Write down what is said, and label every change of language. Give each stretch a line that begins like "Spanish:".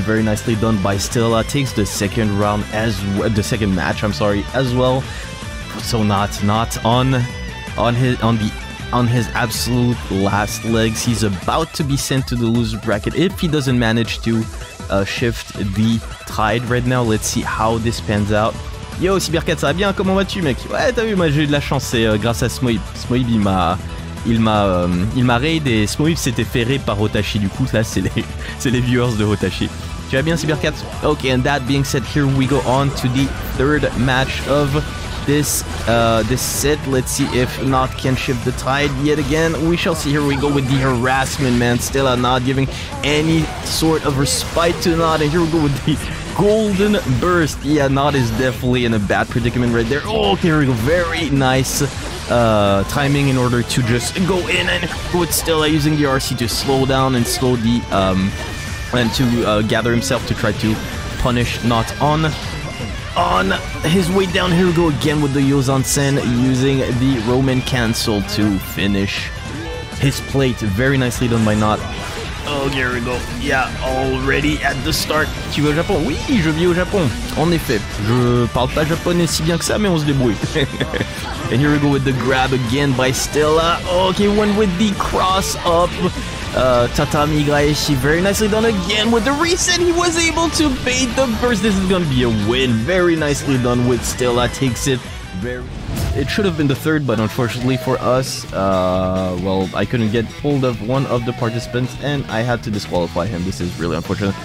English: Very nicely done by Stella. Takes the second round as the second match, I'm sorry, as well. So Not on his absolute last legs. He's about to be sent to the loser bracket if he doesn't manage to shift the tide right now. Let's see how this pans out. Yo, Cybercat,
French: ça va bien? Comment vas-tu, mec? Ouais, t'as vu, moi j'ai eu de la chance. C'est grâce à Smoib. Smoib, il m'a raid, et Smoib s'était fait raid par Hotashi. Du coup, là, c'est les viewers de Hotashi. Tu vas bien, Cybercat?
English: Okay, and that being said, here we go on to the third match of this set. Let's see if Not can shift the tide yet again. We shall see. Here we go with the harassment, man. Stella not giving any sort of respite to Not. And here we go with the golden burst. Yeah, Not is definitely in a bad predicament right there. Oh, okay, here we go. Very nice timing in order to just go in and put Stella using the RC to slow down and slow the and to gather himself to try to punish Not on on his way down. Here we go again with the Yozansen using the Roman Cancel to finish his plate. Very nicely done by Not. Oh, here we go. Yeah, already at the start.
French: Tu vas au Japon? Oui, je vis au Japon. En effet, je parle pas japonais si bien que ça, mais on se débrouille.
English: And here we go with the grab again by Stella. Okay, one with the cross up. Tatami Gaeshi, very nicely done again with the reset. He was able to bait the burst. This is gonna be a win. Very nicely done with Stella. Takes it very... It should have been the third, but unfortunately for us, I couldn't get hold of one of the participants, and I had to disqualify him. This is really unfortunate.